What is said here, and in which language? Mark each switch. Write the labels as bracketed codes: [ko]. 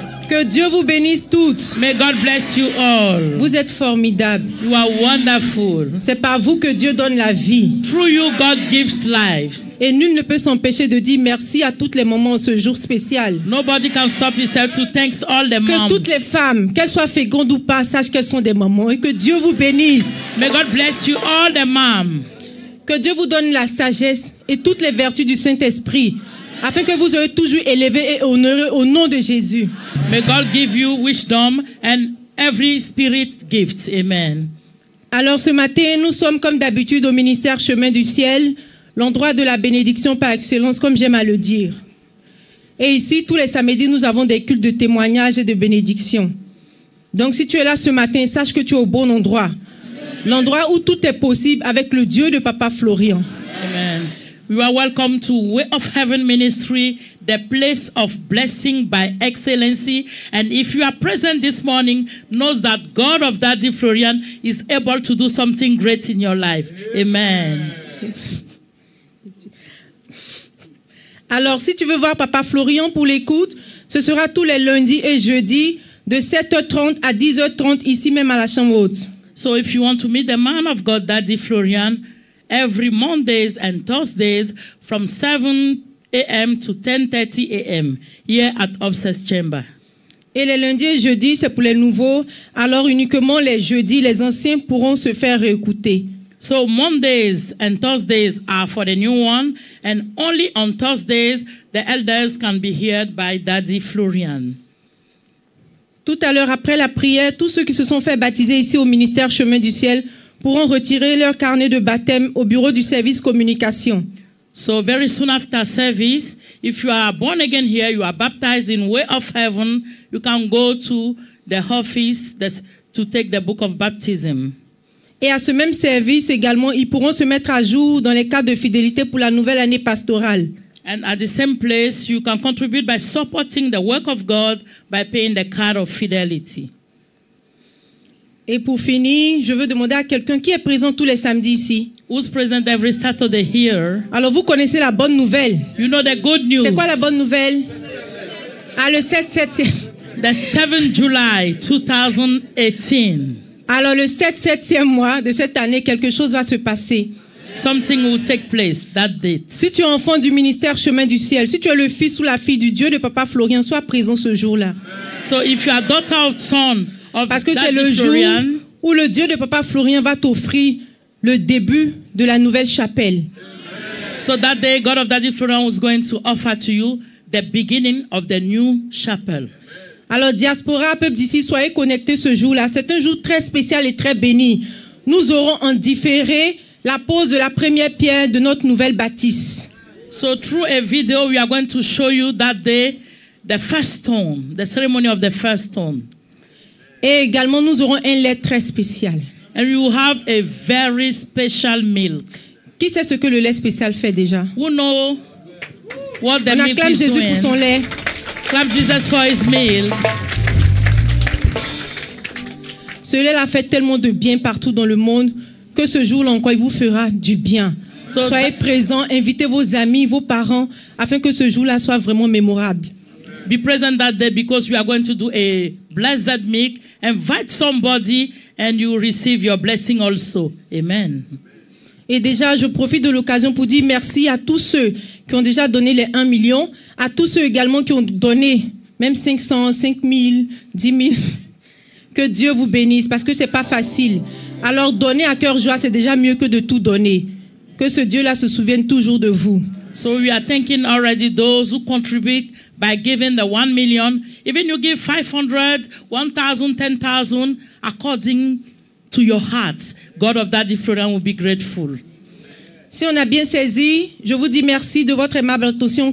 [fr] Que Dieu vous bénisse toutes. [en] May God bless you all. [fr] Vous êtes formidables. [en] You are wonderful. [fr] C'est par vous que Dieu donne la vie. [en] Through you, God gives lives. [fr] Et nul ne peut s'empêcher de dire merci à tous les moments, ce jour spécial. [en] Nobody can stop himself to thank all the moms. [fr] Que toutes les femmes, qu'elles soient fécondes ou pas, sachent qu'elles sont des mamans et que Dieu vous bénisse. [en] May God bless you all the moms. [fr] Que Dieu vous donne la sagesse et toutes les vertus du Saint-Esprit. Afin que vous soyez toujours élevés et honorés au nom de Jésus. [en] May God give you wisdom and every spirit gift. Amen. [fr] Alors ce matin, nous sommes comme d'habitude au ministère Chemin du Ciel, l'endroit de la bénédiction par excellence, comme j'aime à le dire. Et ici, tous les samedis, nous avons des cultes de témoignages et de bénédictions. Donc si tu es là ce matin, sache que tu es au bon endroit. L'endroit où tout est possible avec le Dieu de Papa Florian. Amen. [en] You are welcome to Way of Heaven Ministry, the place of blessing by excellency. And if you are present this morning, know that God of Daddy Florian is able to do something great in your life. Amen. [fr] Alors, si tu veux voir Papa Florian pour l'écoute, ce sera tous les lundis et jeudis de 7h30 à 10h30 ici même à la chambre haute. [en] So if you want to meet the man of God, Daddy Florian, every Mondays and Thursdays from 7 a.m. to 10:30 a.m. here at Obsessed Chamber. [fr] Et les lundis et jeudis, c'est pour les nouveaux. Alors uniquement les jeudis, les anciens pourront se faire réécouter. [en] So Mondays and Thursdays are for the new one, and only on Thursdays the elders can be heard by Daddy Florian. [fr] Tout à l'heure après la prière, tous ceux qui se sont fait baptiser ici au ministère Chemin du Ciel pourront retirer leur carnet de baptême au bureau du service communication. [en] So very soon after service, if you are born again here, you are baptized in Way of Heaven, you can go to the office to take the book of baptism. [fr] Et à ce même service également, ils pourront se mettre à jour dans les cas de fidélité pour la nouvelle année pastorale. [en] And at the same place, you can contribute by supporting the work of God by paying the card of fidelity. [fr] Et pour finir, je veux demander à quelqu'un qui est présent tous les samedis ici. [en] Who's present every Saturday here? [fr] Alors vous connaissez la bonne nouvelle. [en] You know the good news. [fr] C'est quoi la bonne nouvelle? Ah, le 7-7. [en] The 7 July 2018. [fr] Alors le 7-7e mois de cette année, quelque chose va se passer. [en] Something will take place that date. [fr] Si tu es enfant du ministère Chemin du Ciel, si tu es le fils ou la fille du Dieu de Papa Florian, sois présent ce jour-là. [en] So if you are daughter or son, [fr] parce que [en] Daddy [fr] c'est le [en] Florian, [fr] jour où le Dieu de Papa Florian va t'offrir le début de la nouvelle chapelle. [en] So that day, God of Daddy Florian was going to offer to you the beginning of the new chapel. [fr] Alors diaspora, peuple d'ici, soyez connectés ce jour-là. C'est un jour très spécial et très béni. Nous aurons en différé la pose de la première pierre de notre nouvelle bâtisse. [en] So through a video, we are going to show you that day the first stone, the ceremony of the first stone. [fr] Et également, nous aurons un lait très spécial. [en] And you have a very special milk. [fr] Qui sait ce que le lait spécial fait déjà? [en] Who know what the [fr] on acclame [en] milk [fr] Jésus [en] doing. [fr] Pour son lait. [en] Clap Jesus for his milk. [fr] Ce lait l'a fait tellement de bien partout dans le monde que ce jour-là encore, il vous fera du bien. So soyez présents, invitez vos amis, vos parents, afin que ce jour-là soit vraiment mémorable. [en] Be present that day because we are going to do a blessed meal. Invite somebody and you receive your blessing also. Amen. [fr] Et déjà, je profite de l'occasion pour dire merci à tous ceux qui ont déjà donné les 1 million, à tous ceux également qui ont donné même 500, 5000, 10000. Que Dieu vous bénisse parce que c'est pas facile. Alors donner à cœur joie, c'est déjà mieux que de tout donner. Que ce Dieu-là se souvienne toujours de vous. [en] So we are thanking already those who contribute by giving the 1 million. Even you give 500, 1,000, 10,000, according to your heart. God of that different will be grateful. [fr] Si on a bien saisi, je vous dis merci de votre aimable attention.